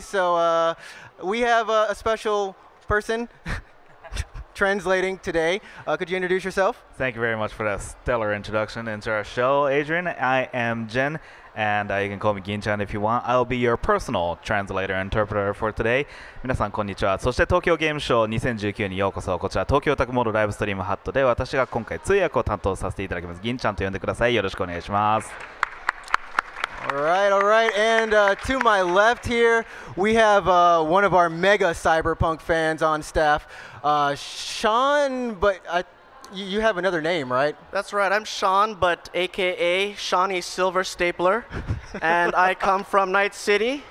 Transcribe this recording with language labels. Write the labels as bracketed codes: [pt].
[en] So we have a special person translating today. Could you introduce yourself? Thank you very much for that stellar introduction into our show, Adrian. I am Jen, and you can call me Gin-chan if you want. I'll be your personal translator interpreter for today. [ja] 皆さんこんにちは。そして東京ゲームショー2019にようこそ。こちら東京オタクモードライブストリームハットで私が今回通訳を担当させていただきます。Gin-chan と呼んでください。よろしくお願いします。 [en] Alright, alright, and to my left here, we have one of our mega cyberpunk fans on staff, Sean, but you have another name, right? That's right, I'm Sean, but aka Shawnee Silver Stapler, and I come from Night City.